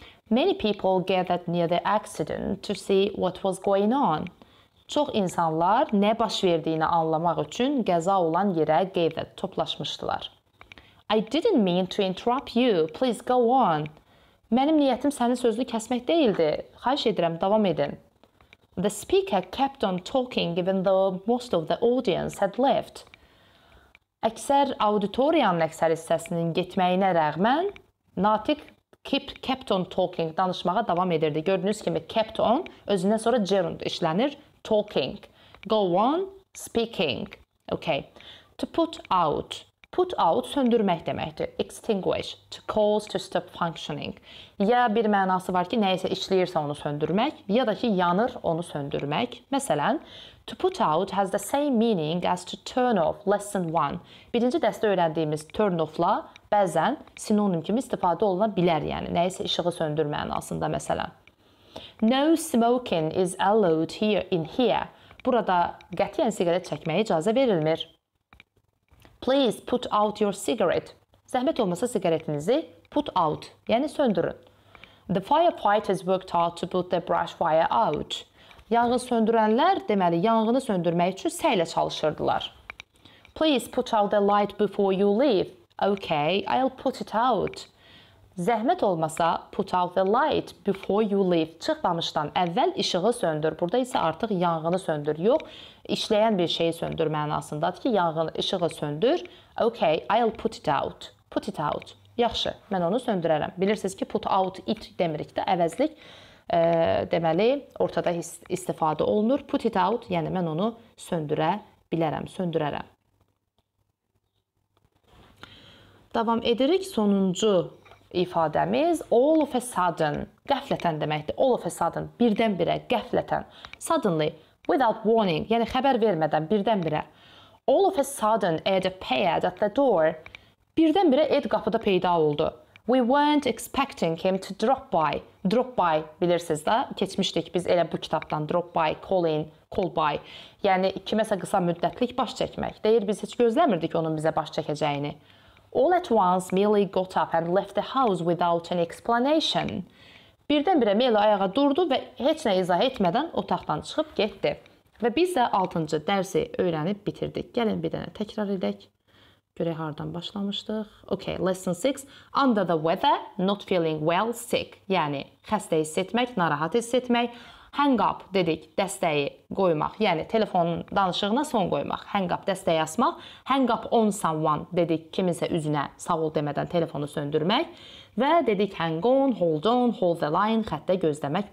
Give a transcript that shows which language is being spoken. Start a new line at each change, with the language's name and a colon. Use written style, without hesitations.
English: Many people gathered near the accident to see what was going on.
Azerbaijani: Çox insanlar nə baş verdiyini anlamaq üçün qəza olan yerə gathered toplaşmışdılar.
English: I didn't mean to interrupt you. Please go on.
Azerbaijani: Mənim niyyətim sənin sözünü kəsmək deyildi. Xahiş edirəm, davam edin.
English: The speaker kept on talking even though most of the audience had left.
Azerbaijani: Əksər auditoriyanın əksər hissəsinin getməyinə rəğmən, natiq
English: kept on talking,
Azerbaijani: danışmağa davam edirdi. Gördüyünüz kimi kept on, özündən sonra gerund işlənir, talking.
English: Go on, speaking. Okay. To put out.
Azerbaijani: Put out söndürmək deməkdir.
English: Extinguish. To cause to stop functioning.
Azerbaijani: Ya bir mənası var ki, nə isə işləyirsə onu söndürmək, ya da ki, yanır onu söndürmək.
English: Məsələn, to put out has the same meaning as to turn off, lesson 1.
Azerbaijani: Birinci dəstə öyrəndiyimiz turn off-la bəzən sinonim kimi istifadə oluna bilər, yəni nə isə işığı söndür mənasında məsələn.
English: No smoking is allowed here in here.
Azerbaijani: Burada qətiyyən siqaret çəkməyə icazə verilmir.
English: Please put out your cigarette.
Azerbaijani: Zəhmət olmasa siqaretinizi
English: put out,
Azerbaijani: yəni söndürün.
English: The firefighters worked hard to put the brush fire out.
Azerbaijani: Yanğın söndürənlər, deməli, yanğını söndürmək üçün səylə çalışırdılar.
English: Please put out the light before you leave. Okay, I'll put it out.
Azerbaijani: Zəhmət olmasa
English: put out the light before you leave.
Azerbaijani: Çıxmamışdan əvvəl işığı söndür. Burada isə artıq yanğını söndür. Yox, işləyən bir şeyi söndür mənasındadır ki, yanğını, işığı söndür.
English: Okay, I'll put it out. Put it out.
Azerbaijani: Yaxşı, mən onu söndürərəm. Bilirsiniz ki,
English: put out it
Azerbaijani: demirik də əvəzlik. Deməli, ortada istifadə olunur.
English: Put it out,
Azerbaijani: yəni mən onu söndürə bilərəm, söndürərəm. Davam edirik sonuncu ifadəmiz. All of a sudden, qəflətən deməkdir. All of a sudden, birdən-birə, qəflətən.
English: Suddenly, without warning,
Azerbaijani: yəni xəbər vermədən, birdən-birə.
English: All of a sudden, Ed appeared at the door.
Azerbaijani: Birdən-birə Ed qapıda peyda oldu.
English: We weren't expecting him to drop by.
Azerbaijani: Drop by, bilirsiniz də, keçmişdik biz elə bu kitabdan.
English: Drop by, call in, call by.
Azerbaijani: Yəni, kiməsə qısa müddətlik baş çəkmək. Deyir, biz heç gözləmirdik onun bizə baş çəkəcəyini.
English: All at once, Millie got up and left the house without an explanation.
Azerbaijani: Birdən-birə Millie ayağa durdu və heç nə izah etmədən otaqdan çıxıb getdi. Və biz də 6-cı dərsi öyrənib bitirdik. Gəlin, bir dənə təkrar edək. Görək, haradan başlamışdıq.
English: Okay, lesson 6. Under the weather, not feeling well, sick.
Azerbaijani: Yəni, xəstə hiss etmək, narahat hiss etmək.
English: Hang up,
Azerbaijani: dedik, dəstəyi qoymaq. Yəni, telefonun danışığına son qoymaq. Hang up, dəstəyi asmaq.
English: Hang up on someone,
Azerbaijani: dedik, kiminsə üzünə sağ ol demədən telefonu söndürmək. Və dedik,
English: hang on, hold the line,
Azerbaijani: xəttə gözləmək.